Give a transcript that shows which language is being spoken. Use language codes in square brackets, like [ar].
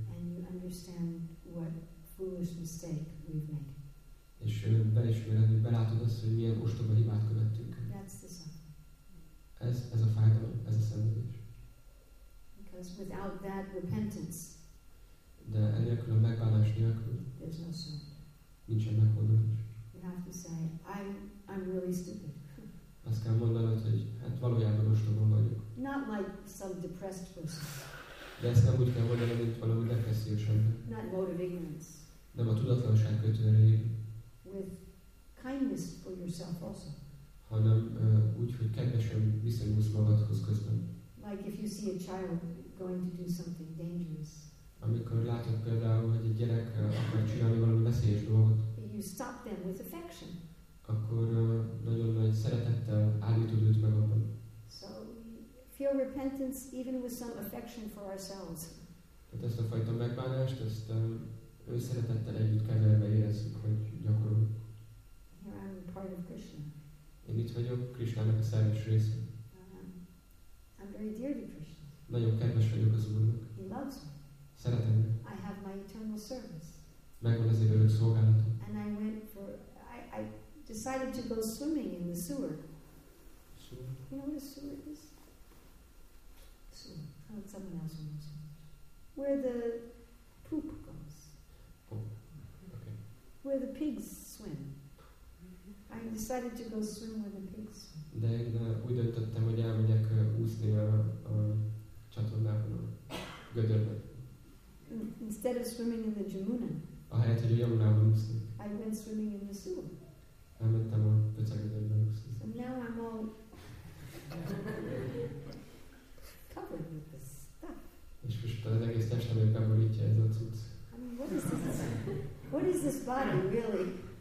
[en] And you understand what foolish mistake we've made. [hu] És belismerendő, belátod azt, hogy milyen ostoba hibát követtünk. [en] That's the suffering. [hu] Ez a fájdalom, ez a szenvedés. [en] Because without that repentance. [hu] De enélkül, a megbánás nélkül. [en] There's no suffering. [hu] Nincsen meghódolás. [en] You have to say, I'm really stupid. [hu] Azt kell mondanod, hogy hát valójában ostoba vagyok. [en] Not like some depressed person. [hu] De ezt nem úgy kell mondanod, mint valami depressziós ember. [en] Not mode of ignorance. [hu] Nem a tudatlanság kötőre ír. [en] With kindness for yourself also. [hu] Hanem úgy, hogy kedvesen viszonyulsz magadhoz közben. [en] Like if you see a child going to do something dangerous. [hu] Amikor látod például, hogy egy gyerek akar csinálni valami veszélyes dolgot. [en] You stop them with affection. [hu] Akkor nagyon nagy szeretettel állítod őt meg abban. [en] So feel repentance even with some affection for ourselves. [hu] Tehát ezt a fajta megbánást, ezt őszeretettel együtt keverve érezzük, hogy gyakoroljuk. [en] Here I'm part of Krishna. [hu] Én itt vagyok, Krisnának a szerves része. [en] I'm very dear to Krishna. [hu] Nagyon kedves vagyok az Úrnak. [en] He loves me. [hu] Szeretem. [en] I have my eternal service. [hu] Megvan az én örök szolgálatom. [en] And I went for, I decided to go swimming in the sewer. You know what a sewer is? Sewer. Oh, someone else knows. Where the poop goes. Oh, okay. Where the pigs swim. I decided to go swim with the pigs. [hu] De én úgy döntöttem, hogy elmegyek úszni a csatornában, a gödörben. [en] Instead of swimming in the Jamuna. [hu] Ahelyett, hogy a Jamunában úsznék. [en] I went swimming in the sewer. [hu] Elmentem a pöcegödörben úszni. [en] So now I'm all covered with this stuff. [hu] És most az egész testemet beborítja ez a cucc. [en] I mean, what is this? What is this body really?